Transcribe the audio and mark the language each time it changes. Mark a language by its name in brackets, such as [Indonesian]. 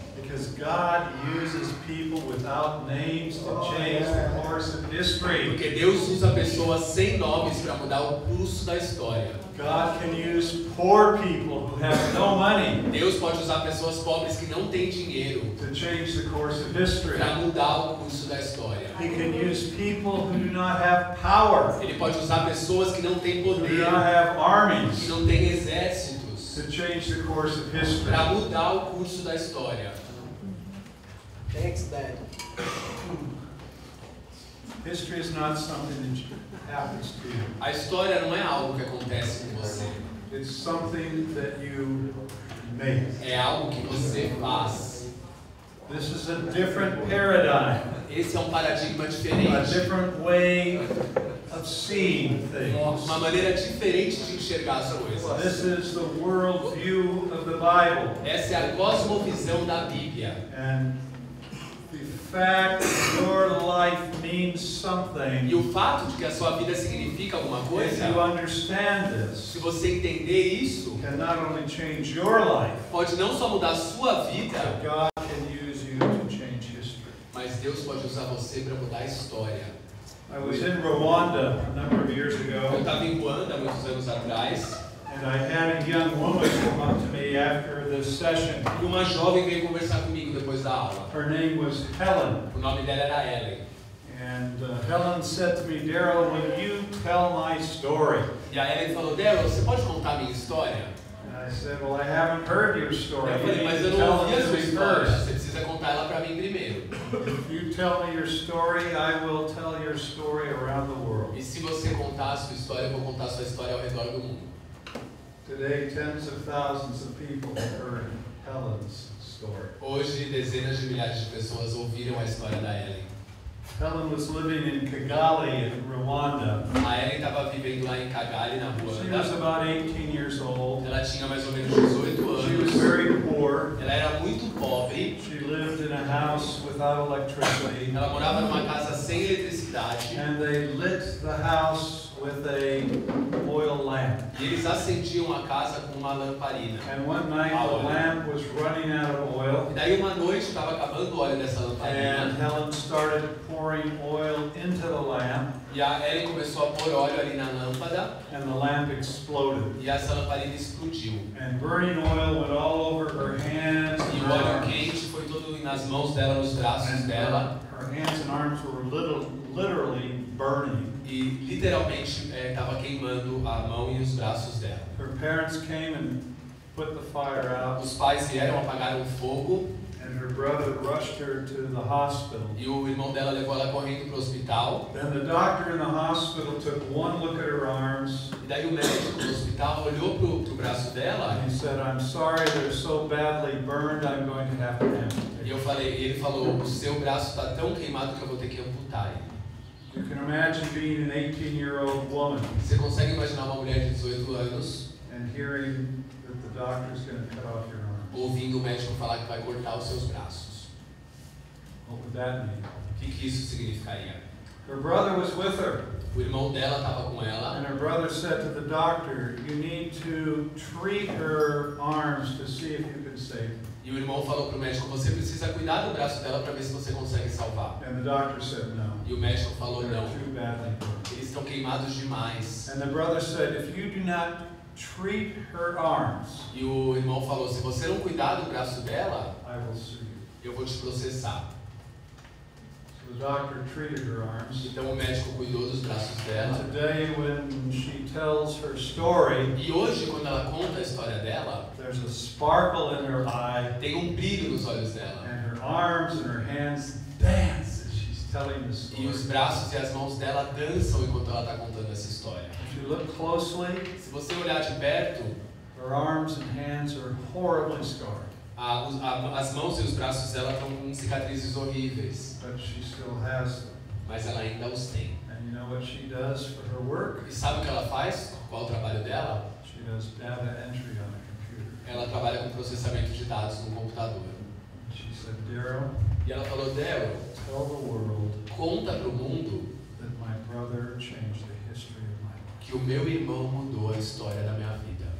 [English] Because God uses people without names to change the course of history. [Portuguese] Porque Deus usa pessoas sem nomes para mudar o curso da história. [English] God can use poor people who have no money. [Portuguese] Deus pode usar pessoas pobres que não têm dinheiro. [English] To change the course of history. [Portuguese] Para mudar o curso da história. [English] He can use people who do not have power. [Portuguese] Ele pode usar pessoas que não têm poder. [English] Who do not have armies. [Portuguese] Que não têm exércitos. [English] To change the course of history. [Portuguese] Para mudar o curso da história. [English] Thanks, Dad. History is not something that happens to you. [Portuguese] A história não é algo que acontece com você. [English] It's something that you make. [Portuguese] É algo que você faz. [English] This is a different paradigm. [Portuguese] Esse é um paradigma diferente. [English] A different way of seeing things. [Portuguese] Uma maneira diferente de enxergar as coisas. [English] This is the world view of the Bible. [Portuguese] Essa é a cosmovisão da Bíblia. [English] And the fact that your life means something. [Portuguese] E o fato de que a sua vida significa alguma coisa. [English] If you understand this, [Portuguese] se você entender isso, [English] can not only change your life, [Portuguese] pode não só mudar a sua vida, [English] but God can use you to change history. [Portuguese] Mas Deus pode usar você para mudar a história. [English] I was in Rwanda a number of years ago. [Portuguese] Eu estava em Ruanda muitos anos atrás. [English] And I had a young woman come up to me after the session. [Portuguese] E uma jovem veio conversar comigo depois da aula. [English] Her name was Helen. [Portuguese] O nome dela era Ellen. [English] And Helen said to me, Daryl, will you tell my story? [Portuguese] E a Ellen falou, Daryl, você pode contar minha história? [English] And I said, well, I haven't heard your story. [Portuguese] Eu falei, mas eu não ouvi a sua história. Você precisa contar ela para mim primeiro. [English] If you tell me your story, I will tell your story around the world. [Portuguese] E se você contar a sua história, eu vou contar a sua história ao redor do mundo. [English] Today, tens of thousands of people heard Helen's story. [Portuguese] Hoje, dezenas de milhares de pessoas ouviram a história da Ellen. [English] Helen was living in Kigali, in Rwanda. [Portuguese] A Ellen estava vivendo lá em Kigali, na Ruanda. [English] She was about 18 years old. [Portuguese] Ela tinha mais ou menos 18 anos. [English] She was very poor. [Portuguese] Ela era muito pobre. [English] She lived in a house without electricity. [Portuguese] Ela morava numa casa sem eletricidade. [English] And they lit the house with a oil lamp. [Portuguese] Eles acendiam a casa com uma lamparina. [English] And one night the lamp was running out of oil. [Portuguese] E daí uma noite estava acabando o óleo dessa lamparina. [English] And Helen started pouring oil into the lamp. [Portuguese] E a Ellen começou a pôr óleo ali na lâmpada. [English] And the lamp exploded. [Portuguese] E essa lamparina explodiu. [English] And burning oil went all over her hands. [Portuguese] E o óleo quente foi todo nas mãos dela, nos braços dela. [English] Her hands and arms were literally burning. [Portuguese] E literalmente estava queimando a mão e os braços dela. [English] Her parents came and put the fire out. [Portuguese] Os pais vieram apagar o fogo. [English] And her brother rushed her to the hospital. [Portuguese] E o irmão dela levou ela correndo para o hospital. [English] Then the doctor in the hospital took one look at her arms. [Portuguese] E daí o médico do hospital olhou pro braço dela. [English] He said, "I'm sorry, they're so badly burned. I'm going to have to amputate." [Portuguese] E eu falei, ele falou, o seu braço está tão queimado que eu vou ter que amputar. [English] You can imagine being an 18-year-old woman. [Portuguese] Você consegue imaginar uma mulher de 18 anos? [English] And hearing that the doctor's going to cut off your arms. [Portuguese] Ouvindo o médico falar que vai cortar os seus braços. [English] What would that mean? [Portuguese] Que isso significaria? [English] Her brother was with her. [Portuguese] O irmão dela estava com ela. [English] And her brother said to the doctor, "You need to treat her arms to see if you can save her." [Portuguese] E o irmão falou para o médico, você precisa cuidar do braço dela para ver se você consegue salvar. [English] And the doctor said, no. [Portuguese] E o médico falou, não. [English] Too badly. [Portuguese] Eles estão queimados demais. [English] And the brother said, if you do not treat her arms, [Portuguese] e o irmão falou, se você não cuidar do braço dela, [English] I will sue you. [Portuguese] Eu vou te processar. [English] So the doctor treated her arms. [Portuguese] Então o médico cuidou dos braços dela. [English] And today, when she tells her story, [Portuguese] e hoje, quando ela conta a história dela, [English] there's a sparkle in her eye, [Portuguese] tem brilho nos olhos dela. [English] And her arms and her hands dance as she's telling the story. [Portuguese] E os braços e as mãos dela dançam enquanto ela está contando essa história. [English] If you look closely, [Portuguese] se você olhar de perto, [English] her arms and hands are horribly scarred. [Portuguese] As mãos e os braços dela estão com cicatrizes horríveis. [English] But she still has them. [Portuguese] Mas ela ainda os tem. [English] And you know what she does for her work? [Portuguese] E sabe o que ela faz? Qual o trabalho dela? [English] She does data entry on a computer. [Portuguese] Ela trabalha com processamento de dados no computador. [English] She said, "Daryl." [Portuguese] E ela falou, "Daryl, [English] tell the world, [Portuguese] conta pro mundo [English] that my brother changed the history of my life. [Portuguese] Que o meu irmão mudou a história da minha vida.